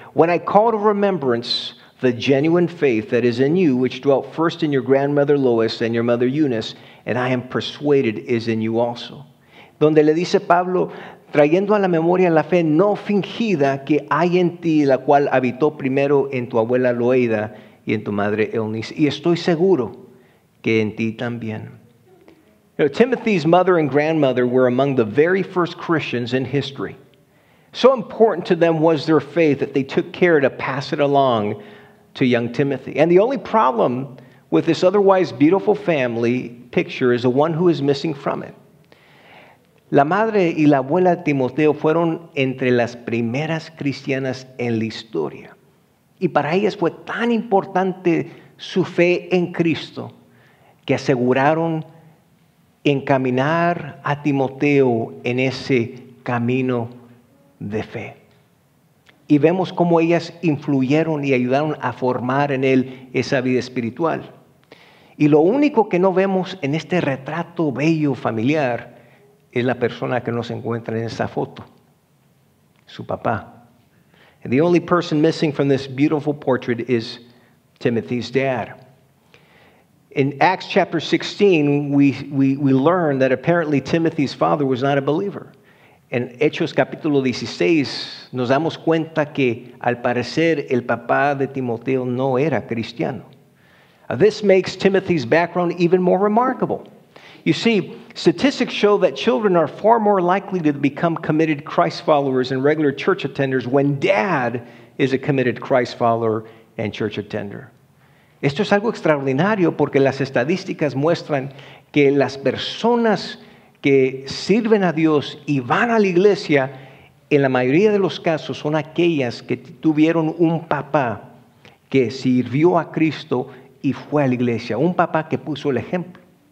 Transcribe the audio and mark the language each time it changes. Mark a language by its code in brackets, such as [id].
[en] When I call to remembrance the genuine faith that is in you, which dwelt first in your grandmother Lois and your mother Eunice, and I am persuaded is in you also. [es] Donde le dice Pablo, trayendo a la memoria la fe no fingida que hay en ti, la cual habitó primero en tu abuela Loida y en tu madre Eunice. Y estoy seguro que en ti también. [en] You know, Timothy's mother and grandmother were among the very first Christians in history. So important to them was their faith that they took care to pass it along to young Timothy. And the only problem with this otherwise beautiful family picture is the one who is missing from it. [es] La madre y la abuela de Timoteo fueron entre las primeras cristianas en la historia. Y para ellas fue tan importante su fe en Cristo que aseguraron encaminar a Timoteo en ese camino de fe. Y vemos cómo ellas influyeron y ayudaron a formar en él esa vida espiritual. Y lo único que no vemos en este retrato bello familiar es la persona que nos encuentra en esa foto, su papá. [en] And the only person missing from this beautiful portrait is Timothy's dad. In Acts chapter 16, we learn that apparently Timothy's father was not a believer. [es] En Hechos capítulo 16, nos damos cuenta que al parecer el papá de Timoteo no era cristiano. [en] This makes Timothy's background even more remarkable. You see, statistics show that children are far more likely to become committed Christ followers and regular church attenders when dad is a committed Christ follower and church attender. [es] Esto es algo extraordinario porque las estadísticas muestran que las personas que sirven a Dios y van a la iglesia, en la mayoría de los casos son aquellas que tuvieron un papá que sirvió a Cristo y fue a la iglesia, un papá que puso el ejemplo.